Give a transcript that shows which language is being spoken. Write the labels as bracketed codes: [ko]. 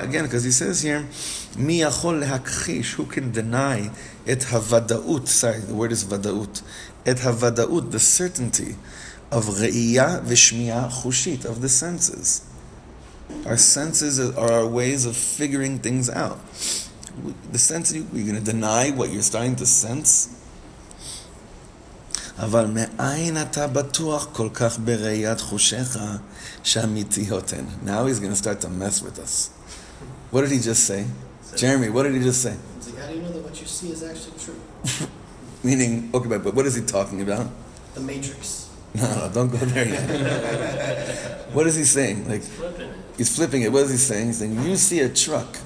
[en] Again, because he says here, [he] "Mi yachol lehakchish?" [en] Who can deny [he] et havadaut? [en] Sorry, the word is vadaut. [he] Et havadaut, [en] the certainty of [he] re'iyah v'shmiyah chushit, [en] of the senses. Our senses are our ways of figuring things out. The sense, are you going to deny what you're starting to sense? [he] אבל מאין אתה בטוח כל כך בראיית חושך שאמיתיות הן? [en] Now he's going to start to mess with us. What did he just say? Jeremy, what did he just say? He's like, how do you know that what you see is actually true? Meaning, okay, but what is he talking about? The Matrix. No, don't go there yet. What is he saying? Like, he's flipping it. What is he saying? He's saying, you see a truck.